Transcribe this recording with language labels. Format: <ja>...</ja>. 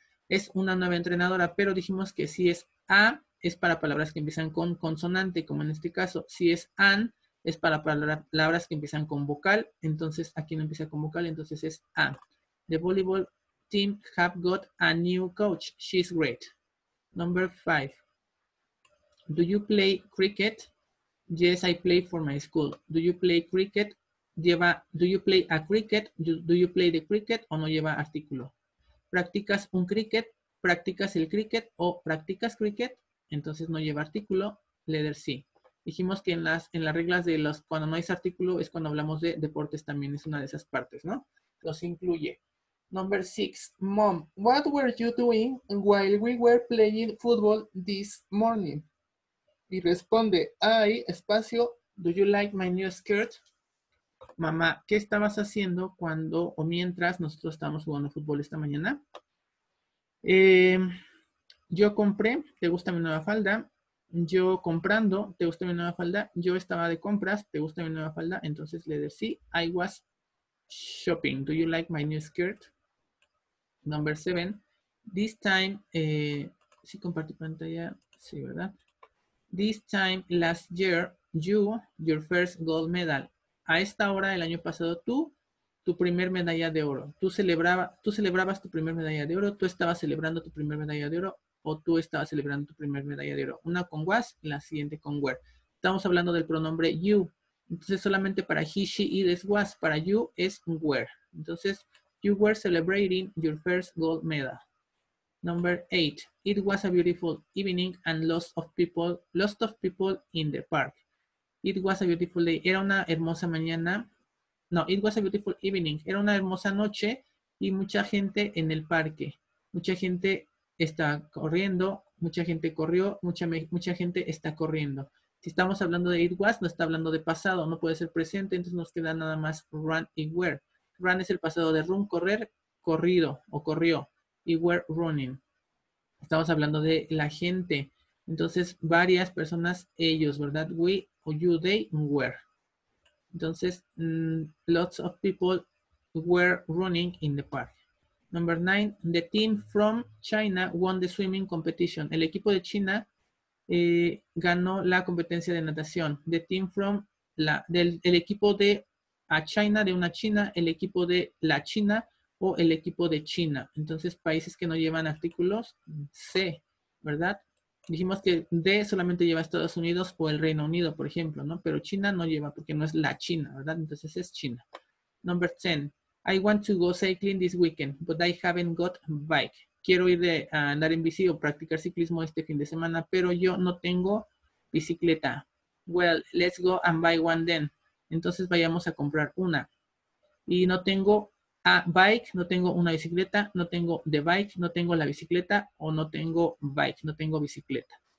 <es>Es una nueva entrenadora, pero dijimos que si es a, es para palabras que empiezan con consonante, como en este caso. Si es an, es para palabras que empiezan con vocal. Entonces, aquí no empieza con vocal, entonces es a.</es> <en>The volleyball team have got a new coach. She's great. Number 5. Do you play cricket? Yes, I play for my school. Do you play cricket? Do you play a cricket? Do you play the cricket?</en> <es>O no lleva artículo. ¿Practicas un cricket? ¿Practicas el cricket? ¿O practicas cricket? Entonces no lleva artículo.</es> <en>Letter C.</en> <es>Dijimos que en las reglas de los, cuando no hay artículo, es cuando hablamos de deportes, también es una de esas partes, ¿no? Los incluye.</es> <en>Number six, Mom, what were you doing while we were playing football this morning?</en> <es>Y responde, ay, espacio,</es> <en>do you like my new skirt?</en> <es>Mamá, ¿qué estabas haciendo cuando o mientras nosotros estábamos jugando fútbol esta mañana? Yo compré, ¿te gusta mi nueva falda? Yo comprando, ¿te gusta mi nueva falda? Yo estaba de compras, ¿te gusta mi nueva falda? Entonces le decía,</es> <en>I was shopping, do you like my new skirt? Number seven, this time,</en> <es>¿sí compartí pantalla? Sí, ¿verdad?</es> <en>This time last year, you, your first gold medal.</en> <es>A esta hora del año pasado, tú, tu primer medalla de oro. Tú celebrabas tu primer medalla de oro, tú estabas celebrando tu primer medalla de oro, o tú estabas celebrando tu primer medalla de oro. Una con was, la siguiente con were. Estamos hablando del pronombre you. Entonces, solamente para he, she, it es was, para you es were.</es> <en>Entonces, you were celebrating your first gold medal. Number eight, it was a beautiful evening and lots of people in the park. It was a beautiful day.</en> <es>Era una hermosa mañana.</es> <en>No, it was a beautiful evening.</en> <es>Era una hermosa noche y mucha gente en el parque. Mucha gente está corriendo, mucha gente corrió, mucha gente está corriendo. Si estamos hablando de it was, no está hablando de pasado, no puede ser presente, entonces nos queda nada más run y were. Run es el pasado de run, correr, corrido o corrió, y</es> <en>were running.</en> <es>Estamos hablando de la gente, entonces varias personas, ellos, ¿verdad?</es> <en>We, o you, they, were. Entonces, lots of people were running in the park. Number nine, the team from China won the swimming competition.</en> <es>El equipo de China ganó la competencia de natación.</es> <en>The team from</en> <es>el equipo de a China, de una China, el equipo de la China o el equipo de China. Entonces, países que no llevan artículos, C, ¿verdad? Dijimos que D solamente lleva Estados Unidos o el Reino Unido, por ejemplo, ¿no? Pero China no lleva porque no es la China, ¿verdad? Entonces es China.</es> <en>Number 10. I want to go cycling this weekend, but I haven't got bike.</en> <es>Quiero ir a andar en bici o practicar ciclismo este fin de semana, pero yo no tengo bicicleta.</es> <en>Well, let's go and buy one then.</en> <es>Entonces vayamos a comprar una. Y no tengo</es> <en>a bike,</en> <es>no tengo una bicicleta, no tengo</es> <en>the bike,</en> <es>no tengo la bicicleta o no tengo bike, no tengo bicicleta.</es>